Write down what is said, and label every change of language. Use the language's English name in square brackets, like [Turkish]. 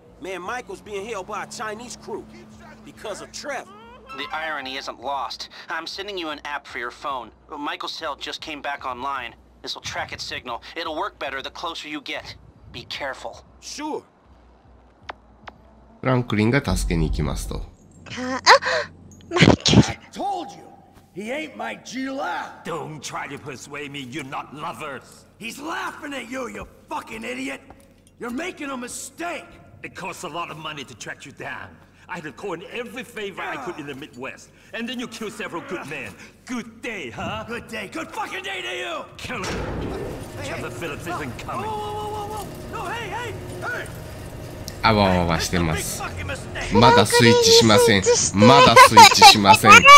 [English] Man, Michael's being held by a Chinese crew. Because of Trevor. The irony isn't lost. I'm sending you an app for your phone. Michael's cell just came back online. This will track its signal. It'll work better the closer you get. Be careful. Sure. [Japanese] フランクリンが助けに行きますと。あ、マイケル。 [English] I told you, he ain't my Gila. Don't try to persuade me you're not lovers. He's laughing at you, you fucking idiot. You're making a mistake. It costs a lot of money to track you down. I'd have coined every favor I could in the Midwest. And then you kill several good men. Good day, huh? Good day. Good fucking day to you! Kill him! Trevor Phillips isn't coming. Whoa, whoa, whoa, whoa, whoa! No, hey, hey! Hey! [Japanese] あわわわしてます。まだスイッチしません。まだスイッチしません。